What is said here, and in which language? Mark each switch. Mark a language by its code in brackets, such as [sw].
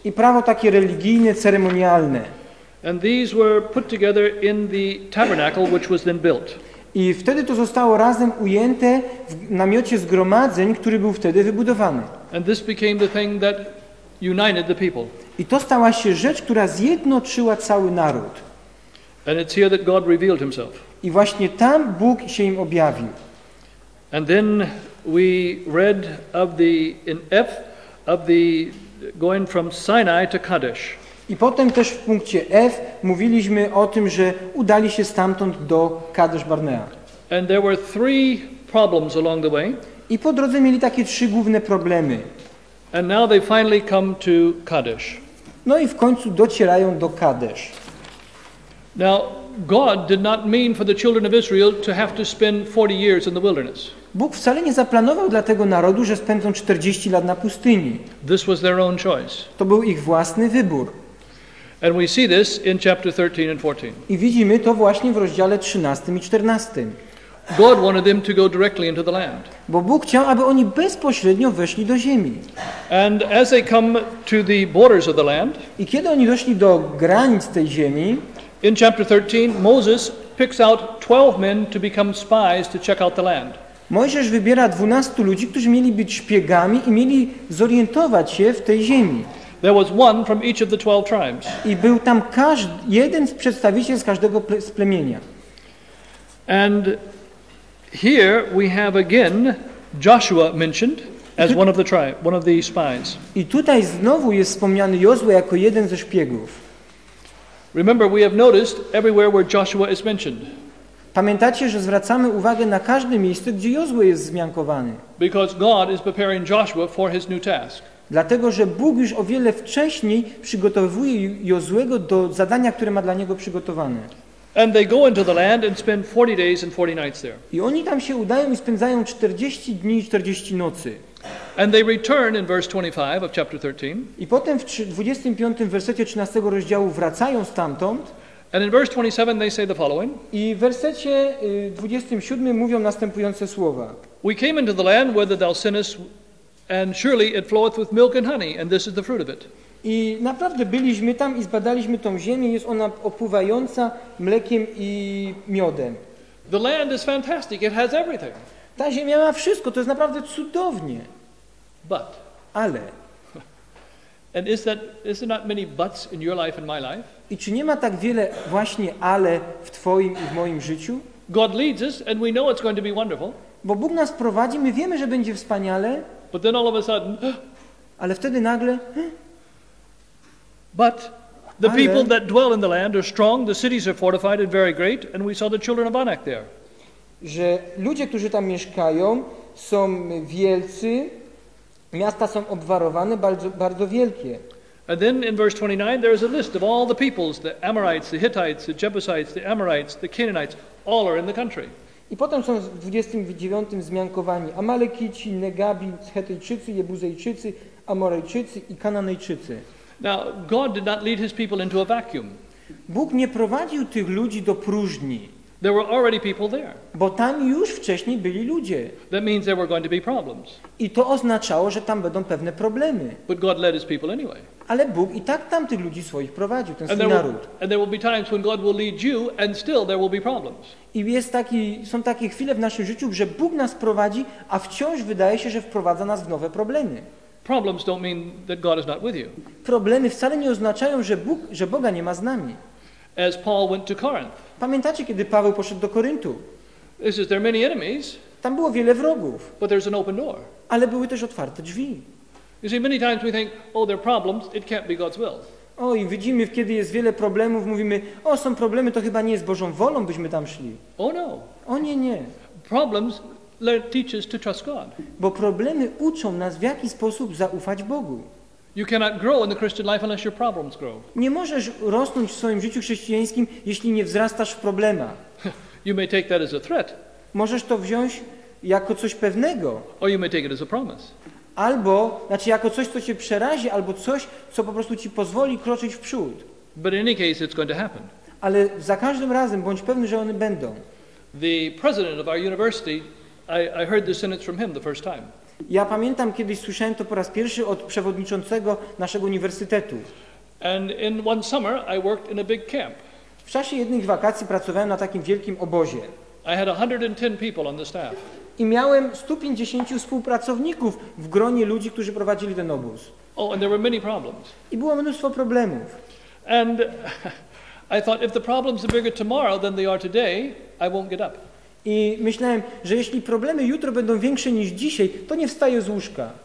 [pl] I prawo takie religijne, ceremonialne. [en] And these were put together in the tabernacle, which was then built. [pl] I wtedy to zostało razem ujęte w namiocie zgromadzeń, który był wtedy wybudowany. [en] And this became the thing that united the people. [pl] I to stała się rzecz, która zjednoczyła cały naród. [en] And it's here that God revealed himself. [pl] I właśnie tam Bóg się im objawił. [en] And then we read of the in F of the going from Sinai to Kadesh. [pl] I potem też w punkcie F mówiliśmy o tym, że udali się stamtąd do Kadesh Barnea. [en] And there were three problems along the way. [pl] I po drodze mieli takie trzy główne problemy. [en] And now they finally come to Kadesh. [pl] No i w końcu docierają do Kadesh. [en] Now, God did not mean for the children of Israel to have to spend 40 years in the wilderness. [pl] Bóg wcale nie zaplanował dla tego narodu, że spędzą 40 lat na pustyni. [en] This was their own choice. [pl] To był ich własny wybór. [en] And we see this in chapter 13 and 14. [pl] I widzimy to właśnie w rozdziale 13 i 14. [en] God wanted them to go directly into the land. [pl] Bo Bóg chciał, aby oni bezpośrednio weszli do ziemi. [en] And as they come to the borders of the land, [pl] i kiedy oni doszli do granic tej ziemi, [en] in chapter 13 Moses picks out 12 men to become spies to check out the land. [pl] Mojżesz wybiera 12 ludzi, którzy mieli być szpiegami i mieli zorientować się w tej ziemi. [en] There was one from each of the 12 tribes. [pl] I był tam jeden z przedstawicieli z każdego z plemienia. [en] And here we have again Joshua mentioned as one of the tribe, one of the spies. [pl] I tutaj znowu jest wspomniany Jozue jako jeden ze szpiegów. [en] Remember, we have noticed everywhere where Joshua is mentioned. [pl] Pamiętacie, że zwracamy uwagę na każde miejsce, gdzie Jozue jest wzmiankowany. [en] Because God is preparing Joshua for his new task. [pl] Dlatego, że Bóg już o wiele wcześniej przygotowuje Jozuego do zadania, które ma dla niego przygotowane. [en] And they go into the land and spend 40 days and 40 nights there. [pl] I oni tam się udają i spędzają 40 dni i 40 nocy. [en] And they return in verse 25 of chapter 13. [pl] I potem w 25 wersecie 13 rozdziału wracają stamtąd. [en] And in verse 27 they say the following. [pl] I w wersecie 27 mówią następujące słowa. [en] We came into the land whither thou sentest, and surely it floweth with milk and honey, and this is the fruit of it. [pl] I naprawdę byliśmy tam i zbadaliśmy tą ziemię, jest ona opływająca mlekiem i miodem. [en] The land is fantastic. It has everything. [pl] Ta ziemia ma wszystko, to jest naprawdę cudownie. [en] But. [pl] Ale. [en] And is there not many buts in your life and my life? [pl] I czy nie ma tak wiele właśnie ale w twoim i w moim życiu? [en] God leads us and we know it's going to be wonderful. [pl] Bo Bóg nas prowadzi, my wiemy, że będzie wspaniale. [en] But then all of a sudden. [pl] Ale wtedy nagle. [en] But the people that dwell in the land are strong, the cities are fortified and very great, and we saw the children of Anak there. [pl] Że ludzie, którzy tam mieszkają, są wielcy, miasta są obwarowane, bardzo, bardzo wielkie. [en] And then in verse 29 there is a list of all the peoples, the Amorites, the Hittites, the Jebusites, the Amorites, the Canaanites, all are in the country. [pl] I potem są w 29 wzmiankowani Amalekici, Negabi, Hetyjczycy, Jebuzejczycy, Amorejczycy i Kananejczycy. [en] Now, God did not lead his people into a vacuum. [pl] Bóg nie prowadził tych ludzi do próżni. [en] There were already people there. [pl] Bo tam już wcześniej byli ludzie. [en] That means there were going to be problems. [pl] I to oznaczało, że tam będą pewne problemy. [en] But God led his people anyway. [pl] Ale Bóg i tak tam tych ludzi swoich prowadził, ten swój naród. [en] And there will be times when God will lead you and still there will be problems. [pl] I jest taki, są takie chwile w naszym życiu, że Bóg nas prowadzi, a wciąż wydaje się, że wprowadza nas w nowe problemy. [en] Problems don't mean that God is not with you. [pl] Problemy wcale nie oznaczają, że Bóg, że Boga nie ma z nami. [en] As Paul went to Corinth. [pl] Pamiętacie, kiedy Paweł poszedł do Koryntu? [en] This is, there are many enemies. [pl] Tam było wiele wrogów. [en] But there's an open door. [pl] Ale były też otwarte drzwi. [en] You see, many times we think, oh, there are problems. It can't be God's will. [pl] O, i widzimy, kiedy jest wiele problemów, mówimy, o, są problemy, to chyba nie jest Bożą wolą, byśmy tam szli. [en] Oh no. [pl] O nie, nie. [en] Problems. Teach us to trust God. [pl] Bo problemy uczą nas, w jaki sposób zaufać Bogu. [en] You cannot grow in the Christian life unless your problems grow. [pl] Nie możesz rosnąć w swoim życiu chrześcijańskim, jeśli nie wzrastasz w problemach. [en] You may take that as a threat. [pl] Możesz to wziąć jako coś pewnego. [en] Or you may take it as a promise. [pl] Albo, znaczy jako coś, co cię przerazi, albo coś, co po prostu ci pozwoli kroczyć w przód. [en] But in any case, it's going to happen. [pl] Ale za każdym razem bądź pewny, że one będą. [en] The president of our university. I heard the sentence from him the first time. [pl] Ja pamiętam, kiedyś słyszałem to po raz pierwszy od przewodniczącego naszego uniwersytetu. [en] And in one summer I worked in a big camp. [pl] W czasie jednych wakacji pracowałem na takim wielkim obozie. [en] I had 110 people on the staff. [pl] I miałem 150 współpracowników w gronie ludzi, którzy prowadzili ten obóz. [en] Oh, and there were many problems. [pl] I było mnóstwo problemów. [en] And I thought if the problems are bigger tomorrow than they are today, I won't get up. [pl] I myślałem, że jeśli problemy jutro będą większe niż dzisiaj, to nie wstaję z łóżka.